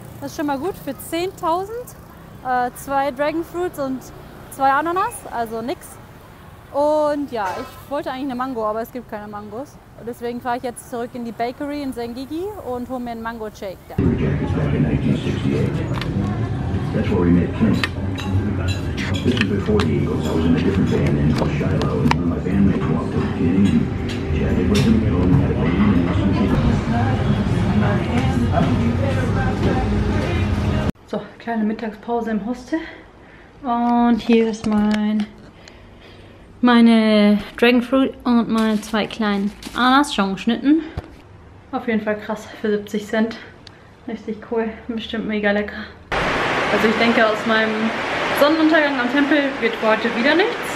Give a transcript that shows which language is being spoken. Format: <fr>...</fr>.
<de>Das ist schon mal gut für 10.000. Zwei Dragonfruits und zwei Ananas, also nix. Und ja, ich wollte eigentlich eine Mango, aber es gibt keine Mangos. Und deswegen fahre ich jetzt zurück in die Bakery in Sengigi und hole mir einen Mango-Shake da.</de> <en>This is before the Eagles. I was in a different band in Shiloh, and one of my bandmates walked up to me and chatted with him, told him that I'd been in the hospital.</en> <de>So, kleine Mittagspause im Hostel. Und hier ist meine Dragonfruit und meine zwei kleinen Ananas schon geschnitten. Auf jeden Fall krass für 70 Cent. Richtig cool. Bestimmt mega lecker. Also ich denke, aus meinem Sonnenuntergang am Tempel wird heute wieder nichts.</de>